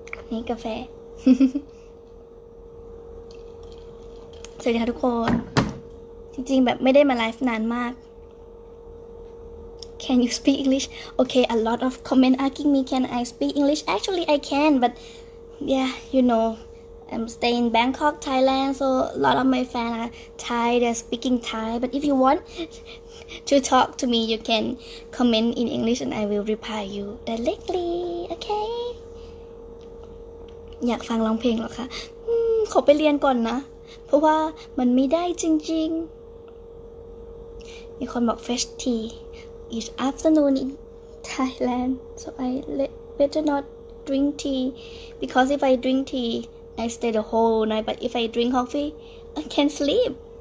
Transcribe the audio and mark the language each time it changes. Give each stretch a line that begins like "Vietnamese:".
Thai: นี่กาแฟสวัสดีค่ะทุกคนจริงๆแบบไม่ได้มาไลฟ์นานมาก
English: Can you speak English? Okay, a lot of comment asking me can I speak English? Actually, I can, but yeah, you know, I'm staying in Bangkok, Thailand, so a lot of my fans are Thai, they're speaking Thai, but if you want to talk to me, you can comment in English and I will reply you directly, okay?
Thai: อยากฟังร้องเพลงเหรอคะขอไปเรียนก่อนนะเพราะว่ามันไม่ได้จริงๆมีคนบอก
English: fresh tea each afternoon in Thailand so I better not drink tea because if I drink tea I stay the whole night but if I drink coffee I can sleep